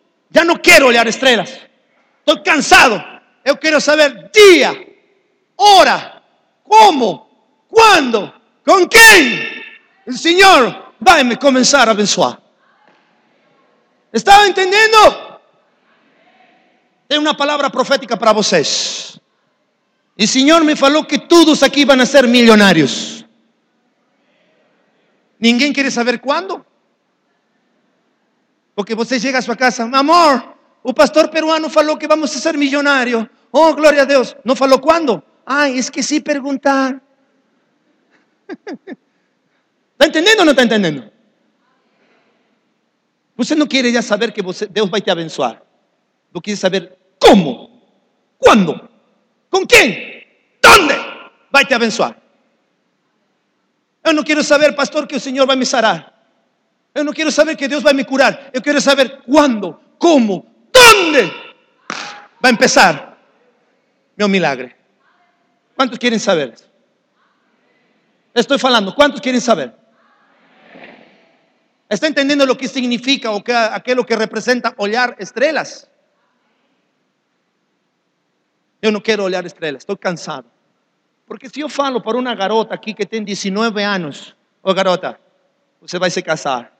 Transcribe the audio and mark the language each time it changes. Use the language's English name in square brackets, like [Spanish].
[Spanish] Ya no quiero olhar estrellas, estoy cansado. Yo quiero saber día, hora, cómo, cuándo, con quién el Señor va a comenzar a abençoar. ¿Estaba entendiendo? Tengo una palabra profética para vocês. El Señor me falou que todos aquí van a ser millonarios. ¿Ninguém quiere saber cuándo? Porque você llega a su casa, amor, [Portuguese] o pastor peruano falou [Spanish] que vamos a ser millonarios. Oh, gloria a Dios. ¿No falou cuándo? Ay, es que sí preguntar. ¿Está entendiendo o no está entendiendo? [Portuguese] Você não quer já saber que você, Deus vai te abençoar. Você quer saber como, quando, com quem, onde vai te abençoar. Eu não quero saber, pastor, que o Senhor vai me sarar. Eu não quero saber que Deus vai me curar. Eu quero saber quando, como, onde vai começar meu milagre. Quantos querem saber? Estou falando, quantos querem saber? [Spanish] ¿Está entendiendo lo que significa o que aquello que representa olhar estrellas? Yo no quiero olhar estrellas, estoy cansado. Porque si yo falo para una garota aquí que tiene 19 años, oh garota, usted va a se casar.